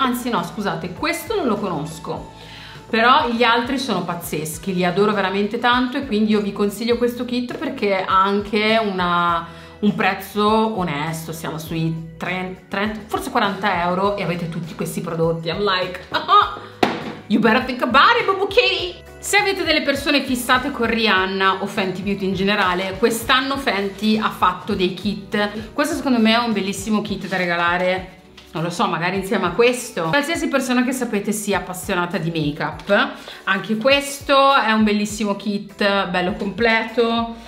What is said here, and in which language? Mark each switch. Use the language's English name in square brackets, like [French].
[Italian] Anzi no, scusate, questo non lo conosco, però gli altri sono pazzeschi, li adoro veramente tanto, e quindi io vi consiglio questo kit perché ha anche un prezzo onesto, siamo sui 30, forse 40 euro e avete tutti questi prodotti. [English] I'm like, you better think about it, Bubu Kitty. [Italian] Se avete delle persone fissate con Rihanna o Fenty Beauty in generale, quest'anno Fenty ha fatto dei kit. Questo secondo me è un bellissimo kit da regalare, non lo so, magari insieme a questo. Qualsiasi persona che sapete sia appassionata di make-up, anche questo è un bellissimo kit, bello completo.